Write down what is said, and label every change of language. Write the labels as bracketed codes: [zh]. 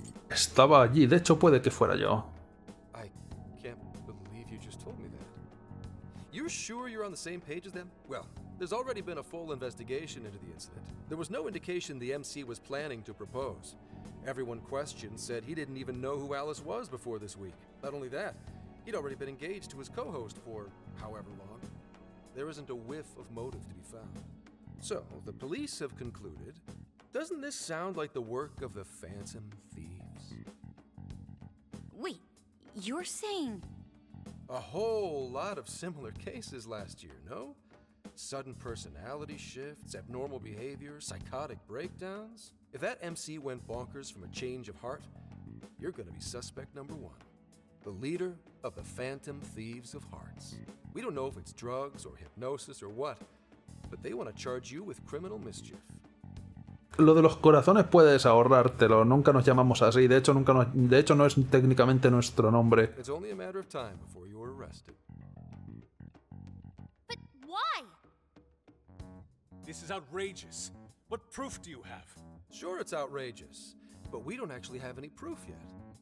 [es] Estaba allí, de hecho puede que fuera yo. [en] I can't believe you just told me that. You're sure you're on the same page as them? Well, there's already been a full investigation into the incident. There was no indication the MC was planning to propose. Everyone questioned said he didn't even know who Alice was before this week. Not only that, he'd already been engaged to his co-host for however long. There isn't a whiff of motive to be found. So, the police have concluded. Doesn't this sound like the work of the Phantom Thieves? Wait, you're saying... A whole lot of similar cases last year, no? Sudden personality shifts, abnormal behavior, psychotic breakdowns. If that MC went bonkers from a change of heart, you're gonna be suspect number one. The leader of the Phantom Thieves of Hearts. We don't know if it's drugs or hypnosis or what, but they want to charge you with criminal mischief. [es] Lo de los corazones puedes ahorrártelo, nunca nos llamamos así, de hecho no es técnicamente nuestro nombre. [en] It's only a matter of time before you're arrested. But why? This is outrageous. What proof do you have? Sure it's outrageous, but we don't actually have any proof yet.